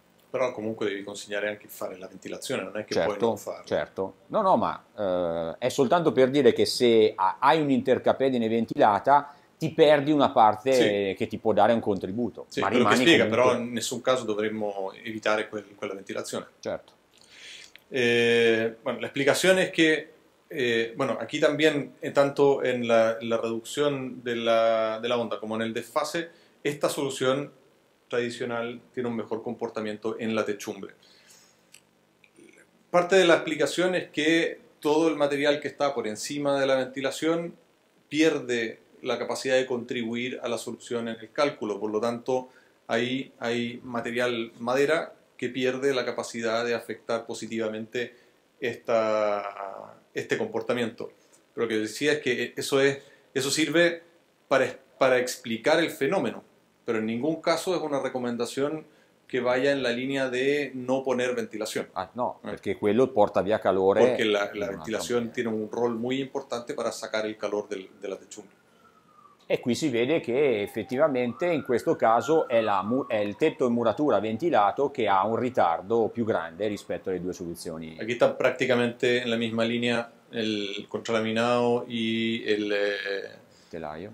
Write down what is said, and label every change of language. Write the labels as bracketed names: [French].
[Italian] Però comunque devi consegnare anche fare la ventilazione, non è che certo, puoi non farlo. Certo, no, ma è soltanto per dire che se hai un'intercapedine ventilata ti perdi una parte che ti può dare un contributo. Sì, ma rimani che spiega, comunque. Però in nessun caso dovremmo evitare quella ventilazione. Certo. [Spanish] Bueno, [Italian] la esplicazione è che [Spanish] aquí también, tanto en la reducción de la onda como en el desfase, esta solución tradicional tiene un mejor comportamiento en la techumbre. Parte de la explicación es que todo el material que está por encima de la ventilación pierde la capacidad de contribuir a la solución en el cálculo, por lo tanto, ahí hay material madera que pierde la capacidad de afectar positivamente este comportamiento. Pero lo que decía es que eso sirve para explicar el fenómeno, pero en ningún caso es una recomendación que vaya en la línea de no poner ventilación. [Italian] Ah, no, [Spanish] porque [Italian] quello porta via calore. [Spanish] Porque la ventilación tiene un rol muy importante para sacar el calor de la techumbre. [Italian] E qui si vede che effettivamente in questo caso è il tetto in muratura ventilato che ha un ritardo più grande rispetto alle due soluzioni. Qui sta praticamente nella stessa linea il contralaminato e telaio.